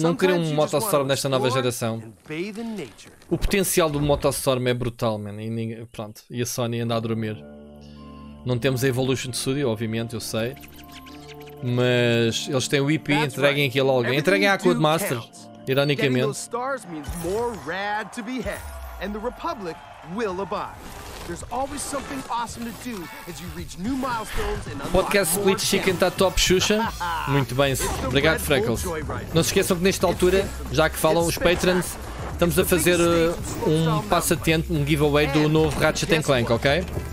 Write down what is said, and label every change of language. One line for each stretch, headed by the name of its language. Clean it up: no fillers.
Portuguese: Não queria um Motostorm nesta nova geração. O potencial do Motostorm é brutal, man. E, ninguém, pronto, e a Sony anda a dormir. Não temos a Evolution Studio, obviamente, eu sei. Mas eles têm o IP, entreguem aquilo a alguém. Entreguem à Codemasters, ironicamente.
English: Stars means more rad to be had, and the Republic will abide. There's always something awesome to do as you reach new milestones and podcast Split Chicken
Portuguese: está top, Xuxa. Muito bem, obrigado, Freckles. Não se esqueçam que nesta altura, já que falam os patrons, estamos a fazer um passatempo, um giveaway do novo Ratchet & Clank, ok?